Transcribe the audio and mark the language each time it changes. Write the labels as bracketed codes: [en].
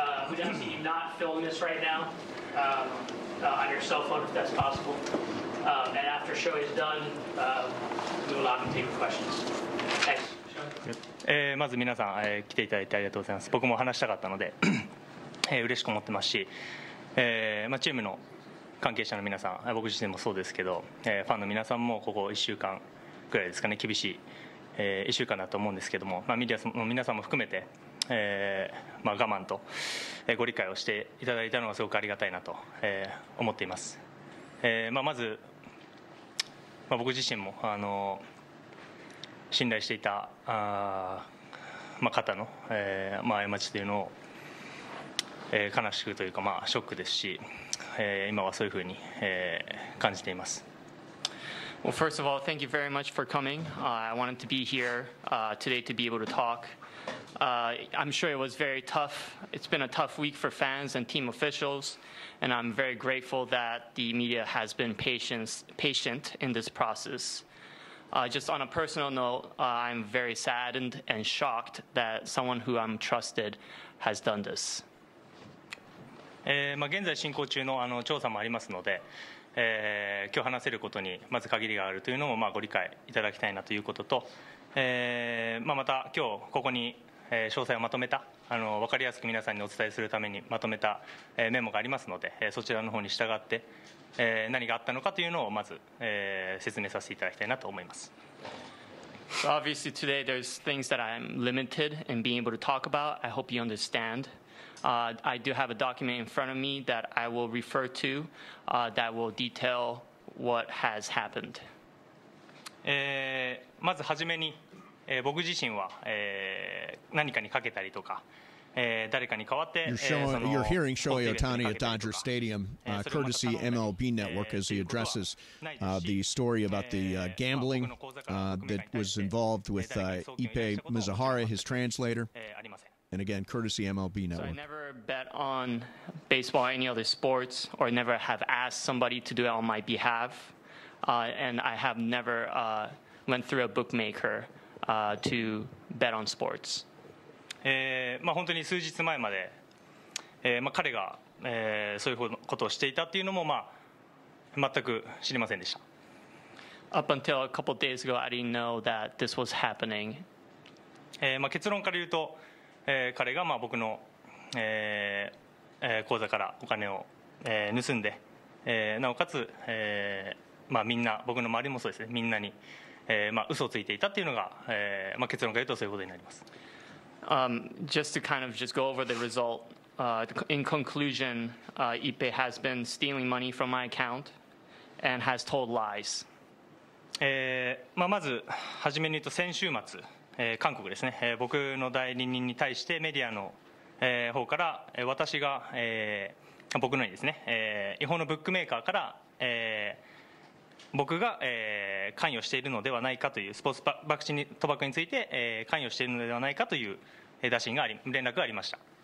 [en] We definitely need not film this right now on your cell phone if that's possible. And after show is done, we will allow you to take questions. Thanks. [ja] まず皆さん、来ていただいてありがとうございます。僕も話したかったので、嬉しく思ってますし、まあ、チームの関係者の皆さん、僕自身もそうですけど、ファンの皆さんもここ1週間ぐらいですかね、厳しい、1週間だと思うんですけども、まあ、メディアの皆さんも含めて、まあ、我慢とご理解をしていただいたのはすごくありがたいなと思っています。まあ、まず、まあ、僕自身も信頼していた方の過ちというのを悲しくというかまあショックですし、今はそういうふうに感じています。 [en] Well, first of all, thank you very much for coming. I wanted to be here today to be able to talk. I'm sure it was very tough. It's been a tough week for fans and team officials, and I'm very grateful that the media has been patient in this process. Just on a personal note, I'm very saddened and shocked that someone who I'm trusted has done this. [ja] まあ現在進行中の調査もありますので、今日話せることにまず限りがあるというのもまあご理解いただきたいなということと、まあ、また今日ここに詳細をまとめた分かりやすく皆さんにお伝えするためにまとめたメモがありますので、そちらの方に従って何があったのかというのをまず説明させていただきたいなと思います。 [en] So obviously today there's things that I'm limited in being able to talk about. I hope you understand. I do have a document in front of me that I will refer to that will detail what has happened. [ja] まずはじめに僕自身は何かにかけたりとか、誰かに代わって [en] You're hearing Shohei Ohtani at Dodger Stadium, courtesy MLB Network, as he addresses the story about the gambling that was involved with Ipe Muzahara, his translator. And again, courtesy MLB Network. So I never bet on baseball or any other sports, or never have asked somebody to do it on my behalf. And I have never went through a bookmaker to bet on sports. [ja] まあ、本当に数日前まで、まあ、彼が、そういうことをしていたっていうのも、まあ、全く知りませんでした。 [en] Up until a couple of days ago, I didn't know that this was happening. [ja] まあ、結論から言うと、彼がまあ僕の、口座からお金を、盗んで、なおかつ、まあ、みんな僕の周りもそうですね、みんなに、まあ、嘘をついていたっていうのが、まあ、結論から言うとそういうことになります。 [en] Just to kind of just go over the result, in conclusion, Ipe has been stealing money from my account and has told lies. [ja] まあ、まず初めに言うと先週末、韓国ですね、僕の代理人に対してメディアの、方から、私が、僕のにですね、違法のブックメーカーから、僕が、関与しているのではないかというスポーツ博打賭博について、関与しているのではないかという打診があり連絡がありました。